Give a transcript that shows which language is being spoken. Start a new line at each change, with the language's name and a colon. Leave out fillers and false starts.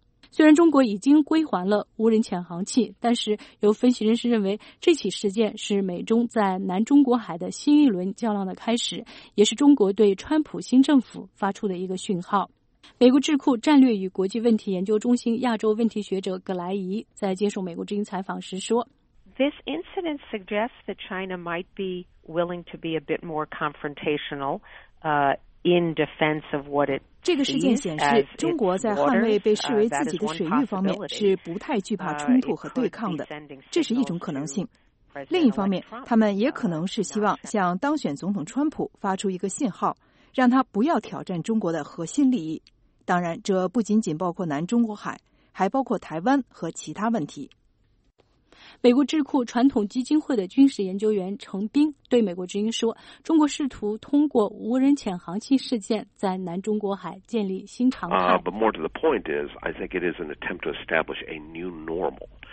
Chinese: 虽然中国已经归还了无人潜航器，但是有分析人士认为，这起事件是美中在南中国海的新一轮较量的开始，也是中国对川普新政府发出的一个讯号。美国智库战略与国际问题研究中心亚洲问题学者葛莱仪在接受美国之音采访时说，
English: This incident suggests that China might be willing to be a bit more confrontational, in defense of what it
Chinese: 这个事件显示，中国在捍卫被视为自己的水域方面是不太惧怕冲突和对抗的，这是一种可能性。另一方面，他们也可能是希望向当选总统川普发出一个信号，让他不要挑战中国的核心利益。当然，这不仅仅包括南中国海，还包括台湾和其他问题。美国智库传统基金会的军事研究员程斌对美国之音说，中国试图通过无人潜航器事件在南中国海建立新常态。
English: But more to the point is, I think it is an attempt to establish a new normal.